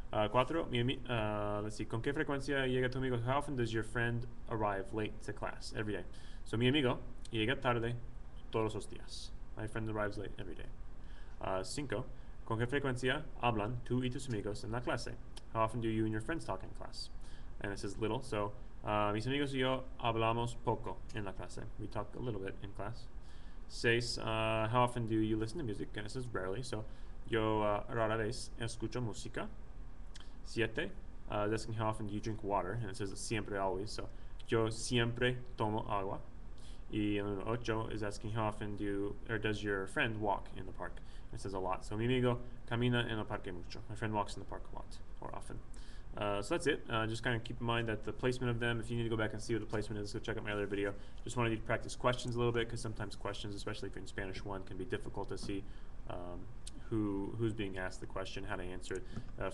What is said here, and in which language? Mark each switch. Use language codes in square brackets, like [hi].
[es] Cuatro, [en] let's see, [es] ¿con qué frecuencia llega tu amigo? [en] How often does your friend arrive late to class every day? [es] So mi amigo llega tarde todos los días. [en] My friend arrives late every day. [es] Cinco, ¿con qué frecuencia hablan tú y tus amigos en la clase? [en] How often do you and your friends talk in class? And it says little, so [es] mis amigos y yo hablamos poco en la clase. [en] We talk a little bit in class. Seis, how often do you listen to music? And it says rarely, so [es] yo rara vez escucho música. [en] Siete, asking how often do you drink water? And it says siempre, always, so [es] yo siempre tomo agua. [en] Y ocho is asking how often do you, or does your friend walk in the park? It says a lot. So [es] mi amigo camina en el parque mucho. [en] My friend walks in the park a lot, or often. So that's it. Just kind of keep in mind that the placement of them, if you need to go back and see what the placement is, go check out my other video. Just wanted you to practice questions a little bit, because sometimes questions, especially if you're in Spanish 1, can be difficult to see who's being asked the question, how to answer it.